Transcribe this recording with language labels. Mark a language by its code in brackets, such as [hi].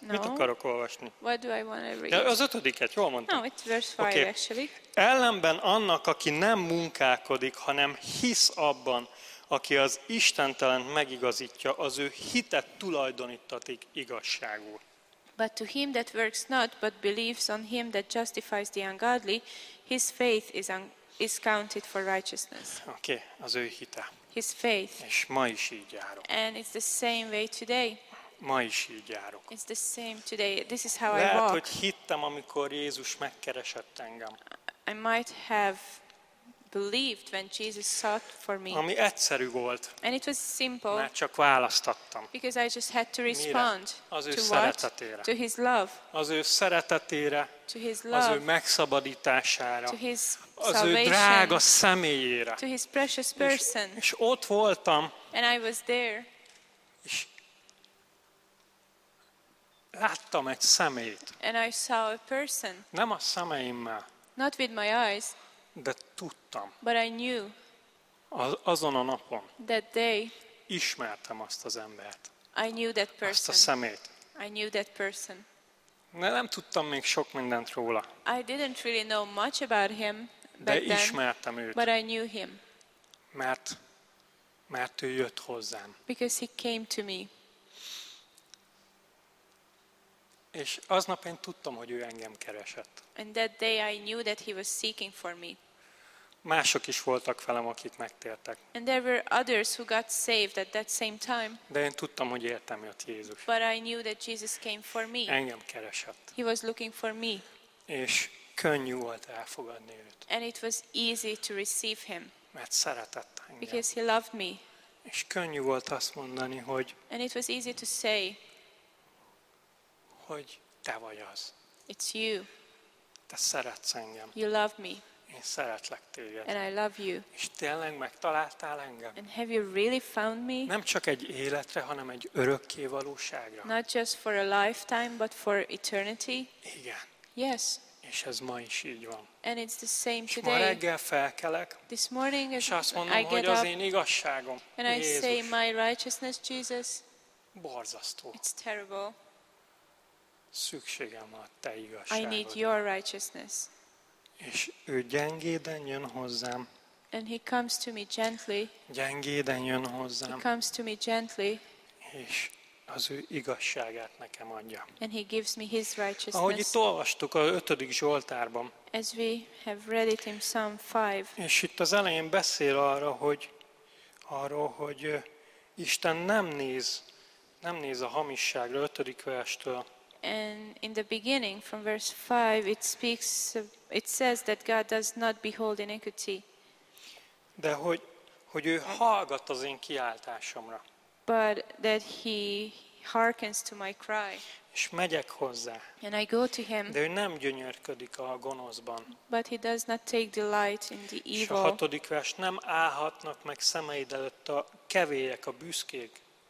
[en] No. [hu] Mit akarok olvasni? [en] What do I want to read? [hu] De az 5-et, jól mondtam. [en] No, it's verse 5, okay. Actually. [hu] Ellenben annak, aki nem munkálkodik, hanem hisz abban, aki az istentelent megigazítja, az ő hitet tulajdonítatik igazságul. [en] But to him that works not, but believes on him that justifies the ungodly, his faith is counted for righteousness. [hu] Okay, az ő hite. [en] His faith. [hu] És ma is így járok. [en] And it's the same way today. [hu] Ma is így járok. [en] It's the same today. This is how [hu] lehet, [en] I walk. [hu] Lehet, hogy hittem, amikor Jézus megkeresett engem. [en] I might have believed when Jesus sought for me. [hu] Ami egyszerű volt. [en] And it was simple. [hu] Mert csak választottam. [en] Because I just had to respond. [hu] Az ő szeretetére. [en] To his love. [hu] Az ő szeretetére. [en] To his love. [hu] Az ő megszabadítására. [en] To his [hu] az [en] salvation. [hu] Ő drága személyére. [en] To his precious person. [hu] És ott voltam. [en] And I was there. [hu] És láttam egy személyt. [en] And I saw a person. [hu] Nem a szemeimmel. [en] Not with my eyes. [hu] De tudtam. [en] But I knew. [hu] Azon a napon. [en] That day. [hu] Ismertem azt az embert. [en] I knew that person. [hu] Azt a szemét. [en] I knew that person. [hu] De nem tudtam még sok mindent róla. [en] I didn't really know much about him. [hu] De ismertem [en] then, [hu] őt. [en] But I knew him. [hu] Mert ő jött hozzám. [en] Because he came to me. [hu] És aznap én tudtam, hogy ő engem keresett. [en] And that day I knew that he was seeking for me. [hu] Mások is voltak velem, akik megtértek. [en] And there were others who got saved at that same time. [hu] De én tudtam, hogy értem jött Jézus. [en] But I knew that Jesus came for me. [hu] Engem keresett. [en] He was looking for me. [hu] És könnyű volt elfogadni őt. [en] And it was easy to receive him. [hu] Mert szeretett engem. [en] Because he loved me. [hu] És könnyű volt azt mondani, hogy [en] And it was easy to say [hu] hogy te vagy az. [en] It's you. [hu] Te szeretsz engem. [en] You love me. [hu] Én szeretlek téged. [en] And I love you. [hu] És tényleg megtaláltál engem? [en] And have you really found me? [hu] Nem csak egy életre, hanem egy örökké valóságra. [en] Not just for a lifetime, but for eternity. [hu] Igen. [en] Yes. [hu] És ez ma is így van. [en] And it's the same [hu] és [en] today. [hu] Ma reggel felkelek. [en] This morning [hu] és azt mondom, [en] I get [hu] hogy az én igazságom. [en] And [hu] Jézus. [en] I say my righteousness, Jesus. [hu] Borzasztó. [en] It's terrible. [hu] Szükségem van a te igazságodra. [en] I need your righteousness. [hu] És ő gyengéden jön hozzám. [en] And he comes to me gently. [hu] Gyengéden jön hozzám. [en] He comes to me gently. [hu] És az ő igazságát nekem adja. [en] And he gives me his righteousness. [hu] Ahogy itt olvastuk a 5. Zsoltárban. [en] As we have read it in Psalm 5. [hu] És itt az elején beszél arról, hogy Isten nem néz a hamisságra 5. verstől. [en] And in the beginning, from verse 5, it says that God does not behold iniquity. [hu] De hogy ő hallgat az én kiáltásomra. [en] But that he hearkens to my cry. [hu] És megyek hozzá. [en] And I go to him. [hu] De ő nem gyönyörködik a gonoszban. [en] But he does not take delight in the evil. [hu] És a 6. vers, nem állhatnak meg szemeid előtt a kevélyek, a büszkék.